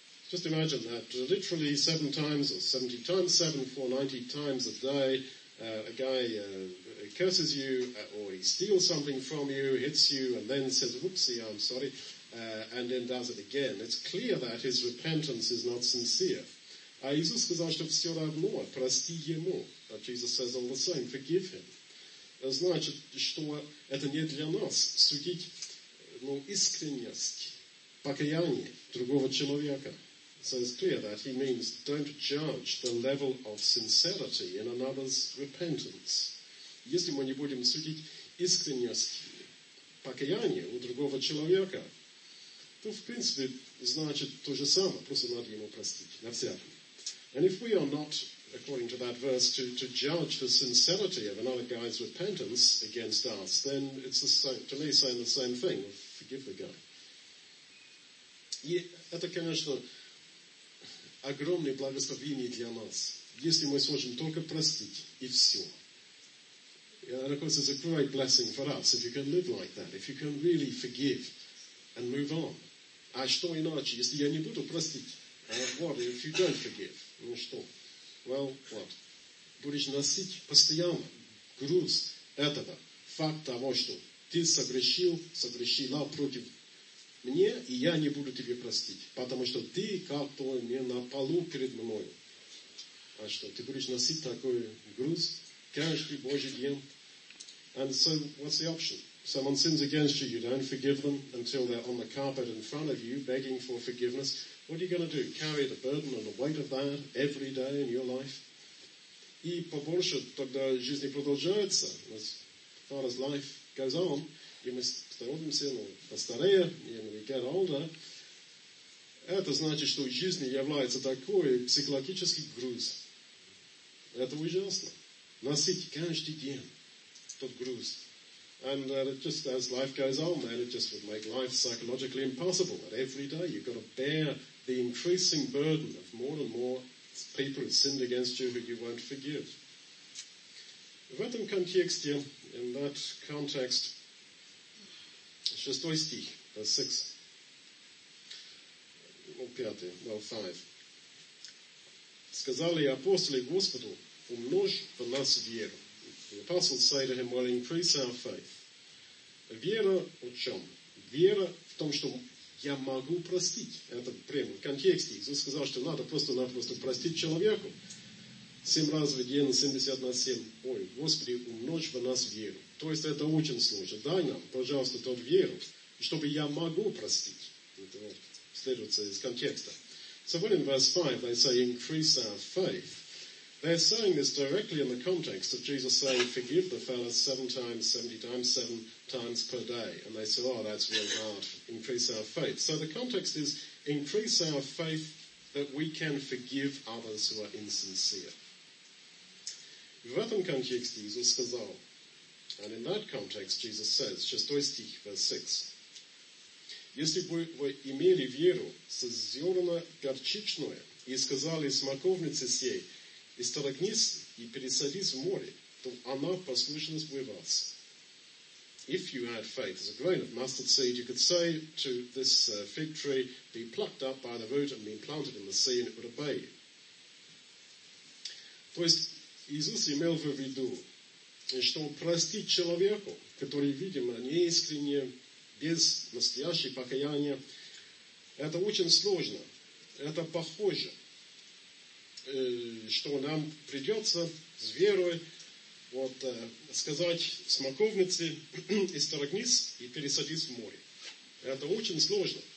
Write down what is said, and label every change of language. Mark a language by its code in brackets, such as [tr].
[en] Just imagine that literally 7 times or 70 times 7, 490 times a day, a guy curses you or he steals something from you, hits you and then says, whoopsie, I'm sorry, and then does it again. It's clear that his repentance is not sincere. [ru] А Иисус сказал, что все равно, прости ему. [en] But Jesus says all the same, forgive him. [ru] Значит, что это не для нас судить, но искренность покаяния другого человека. [en] So it's clear that he means don't judge the level of sincerity in another's repentance. [ru] Если мы не будем судить искренность покаяния у другого человека, то, в принципе, значит то же самое, просто надо ему простить, на всякий. [en] And if we are not, according to that verse, to judge the sincerity of another guy's repentance against us, then it's the same, to me saying the same thing, forgive the guy. [ru] И это, конечно, огромное благословение для нас, если мы сможем только простить, и все. [en] And of course, it's a great blessing for us if you can live like that, if you can really forgive and move on. [ru] А что иначе, если я не буду простить? [en] What if you don't forgive? [ru] Ну что? [en] Well, what? [ru] Будешь носить постоянно груз этого, факт того, что ты согрешила против меня, и я не буду тебе простить, потому что ты как-то не на полу перед мной. А что, ты будешь носить такой груз каждый Божий день? [en] And so, what's the option? Someone sins against you, you don't forgive them until they're on the carpet in front of you begging for forgiveness. What are you going to do? Carry the burden and the weight of that every day in your life? [ru] И побольше тогда жизнь продолжается, [en] as far as life goes on, [ru] и мы становимся, постарее, [en] and we get older. [ru] Это значит, что жизнь является такой психологический груз. Это ужасно. Носить каждый день тот груз. [en] And just as life goes on, then it just would make life psychologically impossible. That every day you've got to bear the increasing burden of more and more people who sinned against you who you won't forgive. [ru] В этом контексте, [en] in that context, [ru] 6 стих, [en] verse 6, or 5, [ru] сказали апостолы Господу, умножь в нас веру. [en] The apostle say to him, well, increase our faith. [ru] Вера о чем? Вера в том, что я могу простить. Это прямо в контексте. Иисус сказал, что надо просто-напросто простить человеку. 7 раз в день, 70 на 7. Ой, Господи, умножь в нас веру. То есть это очень сложно. Дай нам, пожалуйста, тот веру, чтобы я могу простить. Это вот следуется из контекста. [en] So when in verse 5 they say, increase our faith, they're saying this directly in the context of Jesus saying, forgive the fellow 7 times, 70 times, 7 times per day. And they say, oh, that's real hard, increase our faith. So the context is, increase our faith that we can forgive others who are insincere. [ru] В этом контексте Иисус сказал, [en] and in that context Jesus says, [ru] 6 стих, [en] verse 6, [ru] если бы вы имели веру со зерна горчичное и сказали смоковнице сей, исторгнись и пересадись в море, то она послушалась бы вас. [en] If you had faith as a grain of mustard seed, you could say to this fig tree, be plucked up by the root and be planted in the sea, and it would obey you. [ru] То есть Иисус имел в виду, что простить человеку, который, видимо, неискренне, без настоящего покаяния, это очень сложно. Это похоже, что нам придется с верой вот, сказать смоковнице, исторгнись и пересадись в море. Это очень сложно.